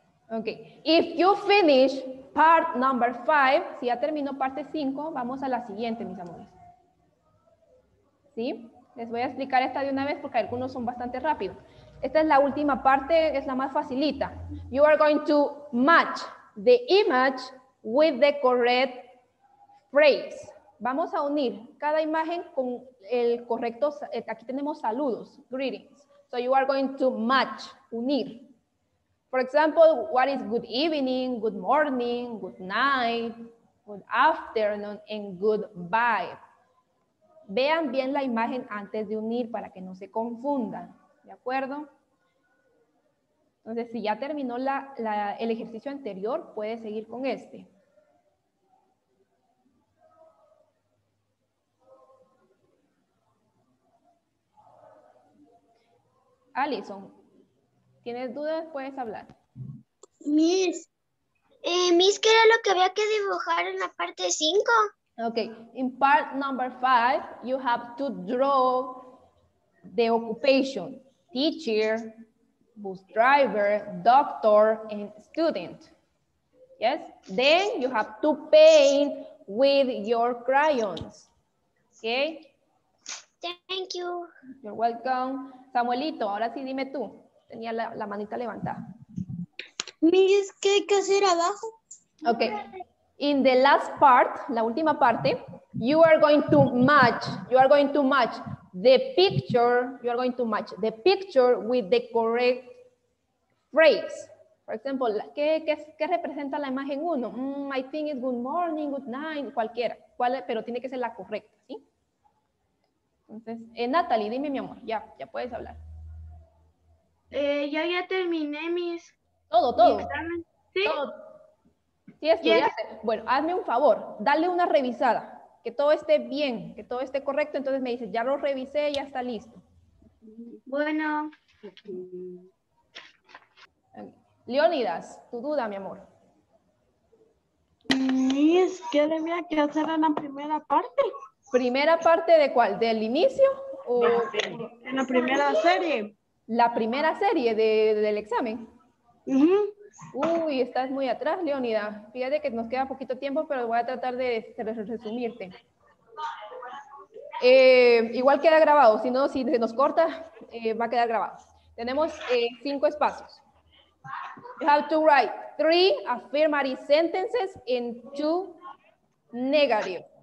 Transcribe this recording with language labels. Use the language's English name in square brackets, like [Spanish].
[English] Okay. If you finish part number 5, [Spanish] si ya terminó parte 5, vamos a la siguiente, mis amores. ¿Sí? Les voy a explicar esta de una vez porque algunos son bastante rápidos. Esta es la última parte, es la más facilita. [English] You are going to match the image with the correct phrase. [Spanish] Vamos a unir cada imagen con el correcto, aquí tenemos saludos, greetings. [English] So you are going to match, [Spanish] unir. [English] For example, what is good evening, good morning, good night, good afternoon, and goodbye. [Spanish] Vean bien la imagen antes de unir para que no se confundan, ¿de acuerdo? Entonces, si ya terminó el ejercicio anterior, puede seguir con este. Alison, ¿tienes dudas? Puedes hablar. [English] Miss. [Spanish] Miss, ¿qué era lo que había que dibujar en la parte 5? [English] Ok. In part number 5, you have to draw the occupation. Teacher, bus driver, doctor, and student. Yes? Then you have to paint with your crayons. Okay? Thank you. You're welcome. [Spanish] Samuelito, ahora sí dime tú. Tenía la manita levantada. Miss, ¿qué hay que hacer abajo? [English] Ok. In the last part, [Spanish] la última parte, [English] you are going to match the picture, you are going to match the picture with the correct phrase. For example, [Spanish] ¿qué representa la imagen 1? [English] I think it's good morning, good night, [Spanish] cualquiera. ¿Cuál es? Pero tiene que ser la correcta, ¿sí? Entonces, Natalie, dime, mi amor, ya puedes hablar. Ya terminé mis... Todo. ¿Sí? Todo. Sí, estudiaste. Yes. Bueno, hazme un favor, dale una revisada, que todo esté bien, que todo esté correcto. Entonces me dices, ya lo revisé, ya está listo. Bueno. Leonidas, tu duda, mi amor. Miss, ¿qué debía que hacer en la primera parte? ¿Primera parte de cuál? ¿Del inicio? O... En la primera serie. ¿La primera serie del examen? Uh-huh. Uy, estás muy atrás, Leonida. Fíjate que nos queda poquito tiempo, pero voy a tratar de resumirte. Igual queda grabado, si se nos corta, va a quedar grabado. Tenemos 5 espacios. [English] You have to write 3 affirmative sentences in 2 negative.